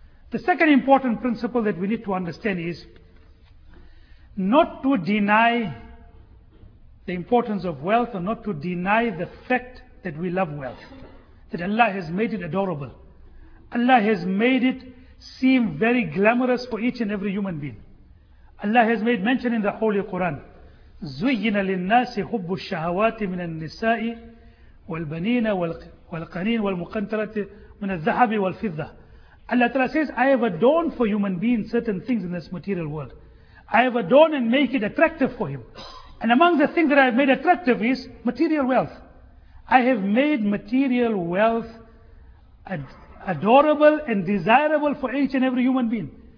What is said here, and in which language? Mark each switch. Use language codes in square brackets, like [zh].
[en] The second important principle that we need to understand is not to deny the importance of wealth or not to deny the fact that we love wealth. That Allah has made it adorable. Allah has made it seem very glamorous for each and every human being. Allah has made mention in the Holy Quran, [ar] زُيِّنَ لِلنَّاسِ حُبُّ الشَّهَوَاتِ مِنَ النِّسَاءِ وَالْبَنِينَ وَالْقَنِينَ وَالْمُقَنْتَرَةِ مِنَ الذَّهَبِ وَالْفِضَّةِ. [en] Allah Ta'ala says, I have adorned for human beings certain things in this material world. I have adorned and make it attractive for him. And among the things that I have made attractive is material wealth. I have made material wealth adorable and desirable for each and every human being.